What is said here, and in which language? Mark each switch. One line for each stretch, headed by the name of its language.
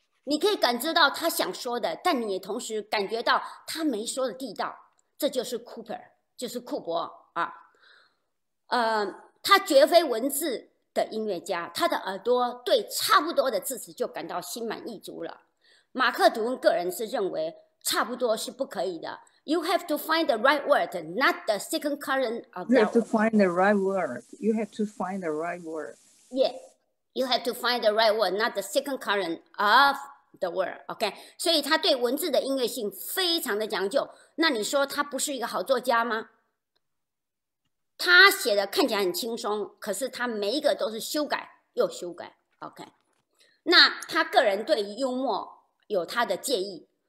Chinese: 你可以感知到他想说的，但你也同时感觉到他没说的地道。这就是 Cooper, 就是库伯啊。他绝非文字的音乐家，他的耳朵对差不多的字词就感到心满意足了。马克吐温个人是认为差不多是不可以的。
English: You have to find the right word, not the second cousin of that word. You have to find the right word. You have to find the right word. Yeah. You have to find the right word, not the second cousin of the word. Okay.
Chinese: 所以他对文字的音乐性非常的讲究。那你说他不是一个好作家吗？他写的看起来很轻松，可是他每一个都是修改又修改。
English: Okay.
Chinese: 那他个人对于幽默有他的介意。